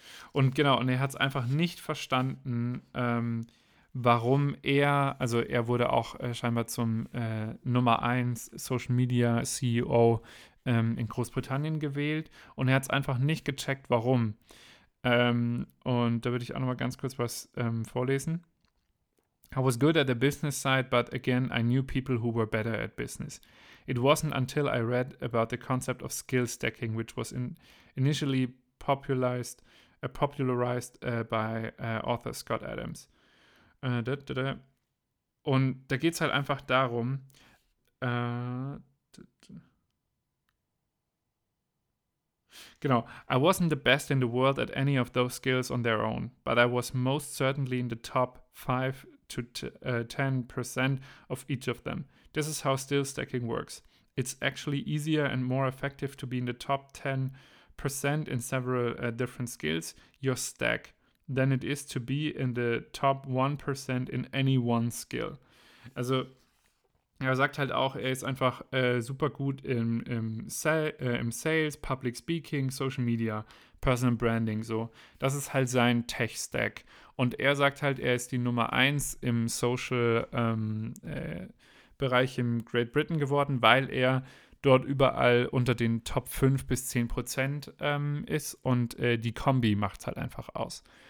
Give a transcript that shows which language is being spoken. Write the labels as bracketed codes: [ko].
[de] Und genau, und er hat es einfach nicht verstanden, warum er, also er wurde auch scheinbar zum Nummer 1 Social Media CEO in Großbritannien gewählt und er hat es einfach nicht gecheckt, warum. Und da würde ich auch nochmal ganz kurz was vorlesen. [en] I was good at the business side, but again, I knew people who were better at business. It wasn't until I read about the concept of skill stacking, which was initially popularized by author Scott Adams. [de] Und da geht es halt einfach darum, genau, [en] I wasn't the best in the world at any of those skills on their own, but I was most certainly in the top 5 to 10% of each of them. This is how skill stacking works. It's actually easier and more effective to be in the top 10% in several different skills, your stack, than it is to be in the top 1% in any one skill. [de] Also, er sagt halt auch, er ist einfach super gut im Sales, Public Speaking, Social Media, Personal Branding, so. Das ist halt sein Tech-Stack. Und er sagt halt, er ist die Nummer 1 im Social-Bereich in Great Britain geworden, weil er dort überall unter den Top 5-10% ist und die Kombi macht es halt einfach aus.